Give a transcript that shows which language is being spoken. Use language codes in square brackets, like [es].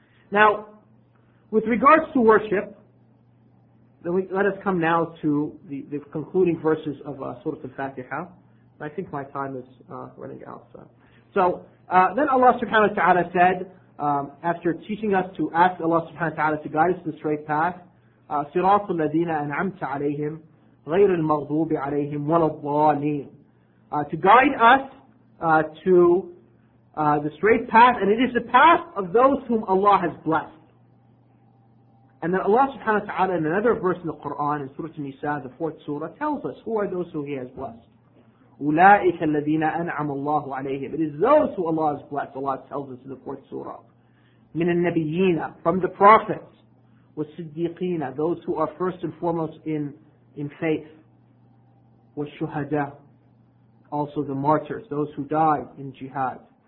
[en] Now, with regards to worship, then let us come now to the concluding verses of Surah Al-Fatiha. I think my time is running out. So then Allah subhanahu wa ta'ala said, after teaching us to ask Allah subhanahu wa ta'ala to guide us to the straight path, [ar] صِرَاطُ الَّذِينَ أَنْعَمْتَ عَلَيْهِمْ غير المغضوب عليهم ولا الضالين. [en] To guide us to the straight path, and it is the path of those whom Allah has blessed. And then Allah subhanahu wa ta'ala, in another verse in the Quran, in Surah An-Nisa, the fourth surah, tells us who are those who He has blessed. [ar] أولئك الذين أنعم الله عليهم. [en] It is those who Allah has blessed, Allah tells us in the fourth surah. [ar] من النبيين, [en] from the prophets. [ar] والصديقين, [en] those who are first and foremost in faith. [ar] والشهداء, [en] also the martyrs, those who died in jihad.